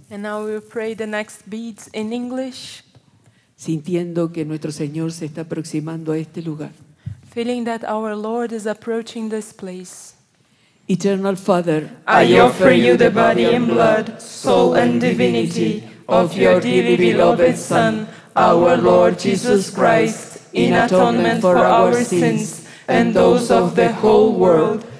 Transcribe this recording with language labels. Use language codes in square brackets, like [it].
[en] And now we'll pray the next beads in English. [es] Sintiendo que nuestro Señor se está aproximando a este lugar. [en] Feeling that our Lord is approaching this place. Eternal Father, I offer you the body and blood, soul and divinity of your dearly beloved Son, our Lord Jesus Christ, in atonement for our sins and those of the whole world.